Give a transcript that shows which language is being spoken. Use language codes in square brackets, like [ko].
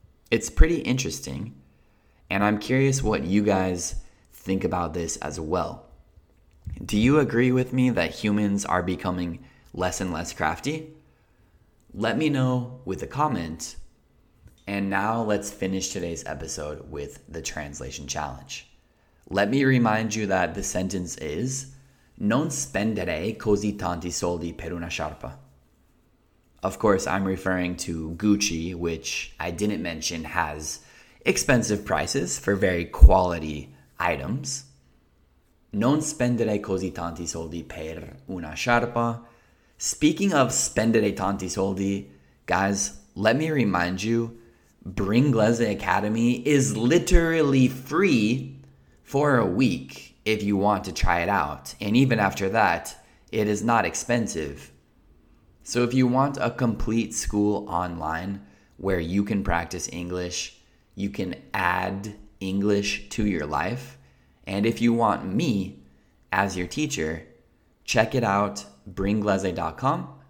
[en] It's pretty interesting. And I'm curious what you guys think about this as well. Do you agree with me that humans are becoming less and less crafty? Let me know with a comment. And now let's finish today's episode with the translation challenge. Let me remind you that the sentence is, [it] non spendere così tanti soldi per una sciarpa. [en] Of course, I'm referring to Gucci, which I didn't mention has expensive prices for very quality items. [it] Non spendere così tanti soldi per una sciarpa. [en] Speaking of [it] spendere tanti soldi, [en] guys, let me remind you, Bringlese Academy is literally free for a week if you want to try it out. And even after that, it is not expensive. So if you want a complete school online where you can practice English, you can add English to your life, and if you want me as your teacher, check it out, bringlese.com.